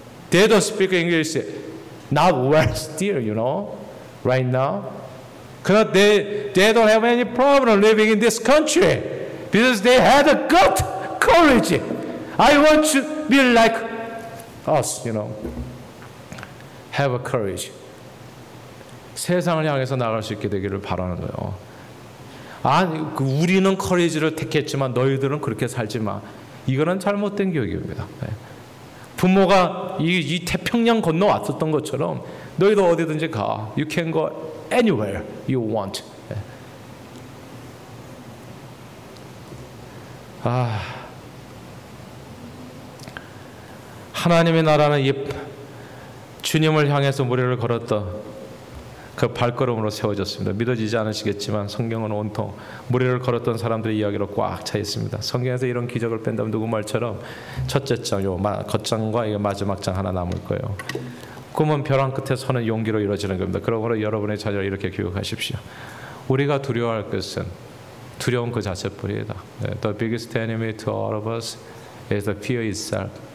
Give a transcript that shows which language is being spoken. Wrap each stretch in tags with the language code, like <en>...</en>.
<en>They don't speak English, not well still, you know, right now. Because they don't have any problem living in this country. Because they had a good courage. I want to be like us, you know. Have a courage.</en> <ko>세상을 향해서 나갈 수 있게 되기를 바라는 거예요. 아니, 우리는 courage를 택했지만 너희들은 그렇게 살지 마. 이거는 잘못된 교육입니다. 부모가 이 태평양 건너왔었던 것처럼 너희도 어디든지 가.</ko> <en>You can go anywhere you want.</en> <ko>아, 하나님의 나라는 이 주님을 향해서 무리를 걸었던 그 발걸음으로 세워졌습니다. 믿어지지 않으시겠지만 성경은 온통 무리를 걸었던 사람들의 이야기로 꽉 차 있습니다. 성경에서 이런 기적을 뺀다면 누구 말처럼 첫째 장, 요 겉장과 마지막 장 하나 남을 거예요. 꿈은 벼랑 끝에 서는 용기로 이루어지는 겁니다. 그러므로 여러분의 자녀를 이렇게 교육하십시오. 우리가 두려워할 것은 두려운 그 자체뿐이다.</ko> <en>The biggest enemy to all of us is the fear itself.</en>